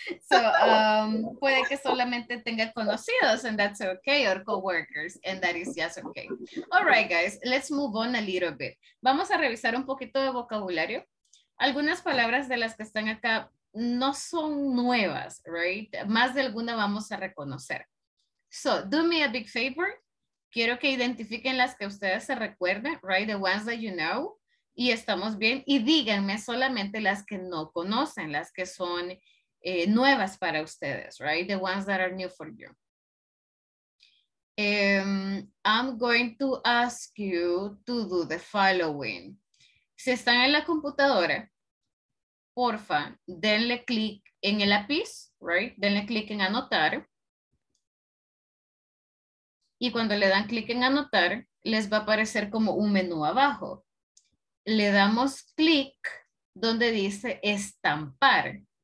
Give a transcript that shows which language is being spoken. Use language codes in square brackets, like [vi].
[en] So, [es] puede que solamente tenga conocidos, [en] and that's okay, or co-workers, and that is just okay. All right, guys, let's move on a little bit. [es] Vamos a revisar un poquito de vocabulario. Algunas palabras de las que están acá no son nuevas, right? Más de alguna vamos a reconocer. [en] So, do me a big favor. [es] Quiero que identifiquen las que ustedes se recuerden, right? [en] The ones that you know. [es] Y estamos bien. Y díganme solamente las que no conocen, las que son nuevas para ustedes, right? [en] The ones that are new for you. I'm going to ask you to do the following. [es] Si están en la computadora, porfa, denle clic en el lápiz, right? Denle clic en anotar. Y cuando le dan clic en anotar, les va a aparecer como un menú abajo. Le damos clic donde dice estampar.